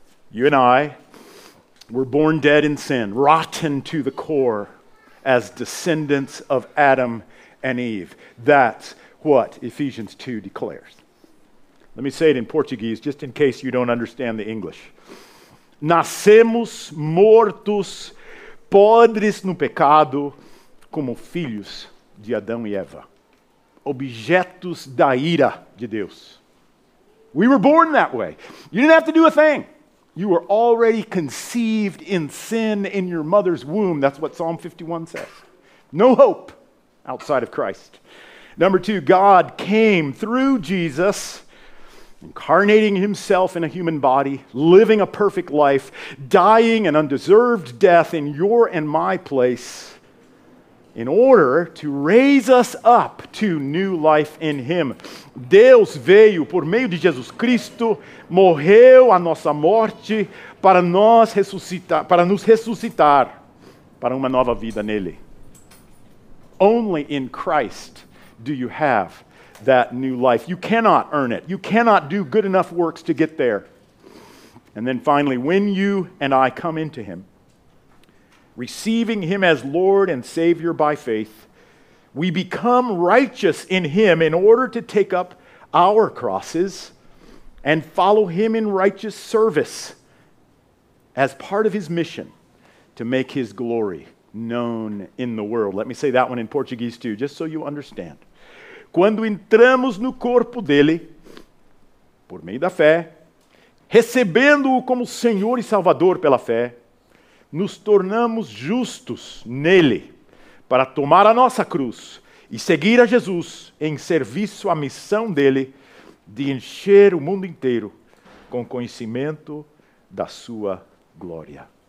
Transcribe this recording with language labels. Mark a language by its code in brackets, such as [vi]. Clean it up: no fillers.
[en] You and I were born dead in sin, rotten to the core as descendants of Adam and Eve. That's what Ephesians 2 declares. Let me say it in Portuguese, just in case you don't understand the English. [pt] Nascemos mortos, podres no pecado, como filhos de Adão e Eva. Objetos da ira de Deus. [en] We were born that way. You didn't have to do a thing. You were already conceived in sin in your mother's womb. That's what Psalm 51 says. No hope outside of Christ. Number two, God came through Jesus, incarnating Himself in a human body, living a perfect life, dying an undeserved death in your and my place, in order to raise us up to new life in Him. [pt] Deus veio por meio de Jesus Cristo, morreu a nossa morte para nos ressuscitar para uma nova vida nele. [en] Only in Christ do you have that new life. You cannot earn it. You cannot do good enough works to get there. And then finally, when you and I come into Him, receiving Him as Lord and Savior by faith, we become righteous in Him in order to take up our crosses and follow Him in righteous service as part of His mission to make His glory known in the world. Let me say that one in Portuguese too, just so you understand. [pt] Quando entramos no corpo dele, por meio da fé, recebendo-o como Senhor e Salvador pela fé, nos tornamos justos nele para tomar a nossa cruz e seguir a Jesus em serviço à missão dele de encher o mundo inteiro com conhecimento da sua glória.